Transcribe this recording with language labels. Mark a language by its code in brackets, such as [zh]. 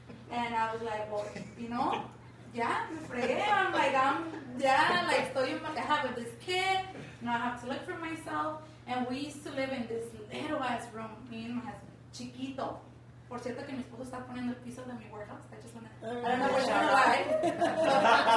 [en] And I was like, well, you know, I have this kid. Now I have to look for myself. And we used to live in this little-ass room, me and my husband, chiquito. [es] Por cierto, que mi esposo está poniendo el piso de mi warehouse. [en] I just want to, I don't know where you're going to lie.